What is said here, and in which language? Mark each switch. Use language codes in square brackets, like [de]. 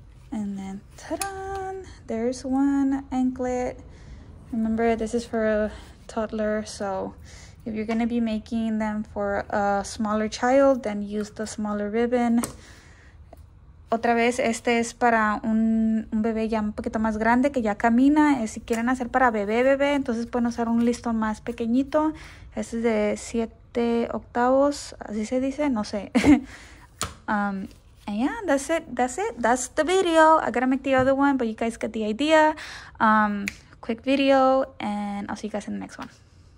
[en] And then, ta-da! There's one anklet. Remember, this is for a toddler, so if you're gonna be making them for a smaller child, then use the smaller ribbon. [es] Otra vez, este es para un bebé ya un poquito más grande que ya camina. Si quieren hacer para bebé, entonces pueden usar un listón más pequeñito. Este es de 7 octavos, así se dice, no sé. [en] And yeah, that's it. That's the video. I gotta make the other one, but you guys get the idea. Quick video, and I'll see you guys in the next one.